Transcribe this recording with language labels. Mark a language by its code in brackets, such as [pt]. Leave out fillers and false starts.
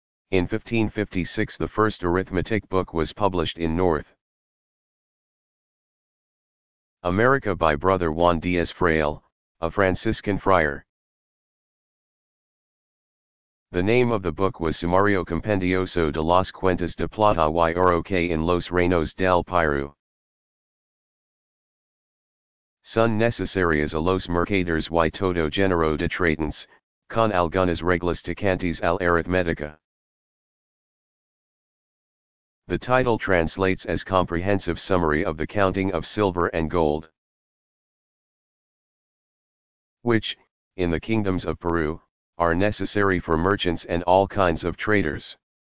[en] In 1556, the first arithmetic book was published in North America by Brother Juan Diaz Frail, a Franciscan friar. The name of the book was [es] Sumario Compendioso de las Cuentas de Plata y Oro que en los Reinos del Piru son necesarias a los mercaderes y todo género de tratantes, con algunas reglas tocantes al arithmética. [en] The title translates as Comprehensive Summary of the Counting of Silver and Gold, which, in the kingdoms of Peru, are necessary for merchants and all kinds of traders.